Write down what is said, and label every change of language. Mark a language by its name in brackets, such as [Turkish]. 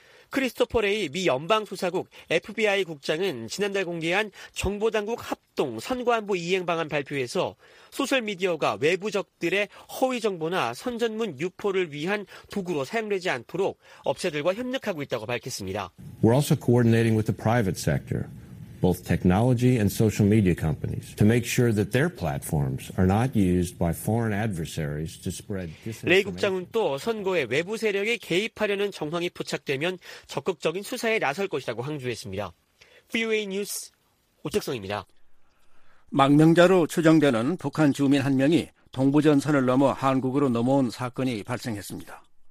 [Korean] 크리스토퍼 레이 미 연방수사국 FBI 국장은 지난달 공개한 정보당국 합동 선거안보 이행방안 발표에서 소셜미디어가 외부적들의 허위정보나 선전문 유포를 위한 도구로 사용되지 않도록 업체들과 협력하고 있다고 밝혔습니다. [English] We're also coordinating with the private sector, both technology and social media companies, to make sure that their platforms are not used by foreign adversaries to spread disinformation. [Korean] 레이 국장은 또 선거에 외부 세력이 개입하려는 정황이 포착되면 적극적인 수사에 나설 것이라고 강조했습니다. VOA 뉴스 오택성입니다. 망명자로 추정되는 북한 주민 한 명이 동부전선을 넘어 한국으로 넘어온 사건이 발생했습니다.